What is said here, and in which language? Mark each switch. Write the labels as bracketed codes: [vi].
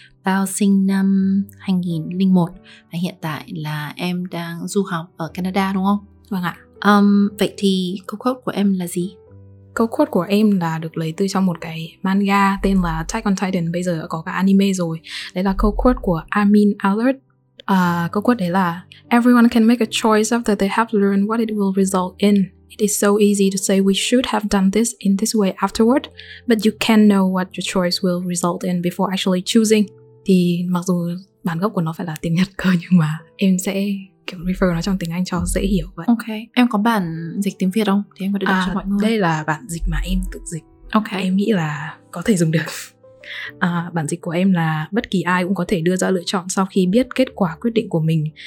[vi] Bao sinh năm 2001 và hiện tại là em đang du học ở Canada đúng không? Vâng ạ. Vậy thì câu quote của em là gì? Câu quote của em là được lấy từ trong một cái manga tên là Attack on Titan, bây giờ có cả anime rồi. Đấy là câu quote của Armin Alert. Câu quote đấy là: [en] Everyone can make a choice after they have learned what it will result in. It is so easy to say we should have done this in this way afterward, but you can know what your choice will result in before actually choosing. [vi] Thì mặc dù bản gốc của nó phải là tiếng Nhật cơ, nhưng mà em sẽ kiểu refer nó trong tiếng Anh cho dễ hiểu vậy. Ok, em có bản dịch tiếng Việt không? Thì em có đưa cho mọi người. Đây là bản dịch mà em tự dịch. Ok. Em nghĩ là có thể dùng được. Bản dịch của em là: bất kỳ ai cũng có thể đưa ra lựa chọn sau khi biết kết quả quyết định của mình.